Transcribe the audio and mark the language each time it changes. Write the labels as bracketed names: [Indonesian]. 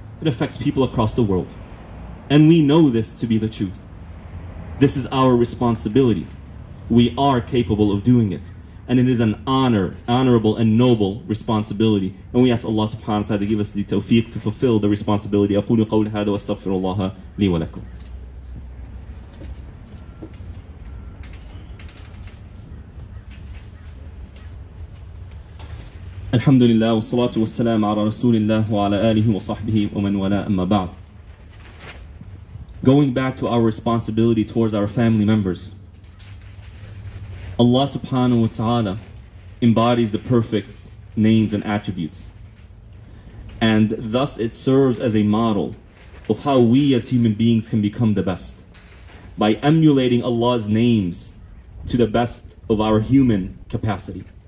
[English] It affects people across the world. And we know this to be the truth. This is our responsibility. We are capable of doing it. And it is an honorable and noble responsibility. And we ask Allah subhanahu wa ta'ala to give us the tawfiq to fulfill the responsibility. [Arabic] أقول قول هذا واستغفر الله لي ولكم. الحمد لله والصلاة والسلام على رسول الله وعلى آله وصحبه ومن والاه أما بعد. [English] Going back to our responsibility towards our family members, Allah subhanahu wa ta'ala embodies the perfect names and attributes. And thus it serves as a model of how we as human beings can become the best by emulating Allah's names to the best of our human capacity.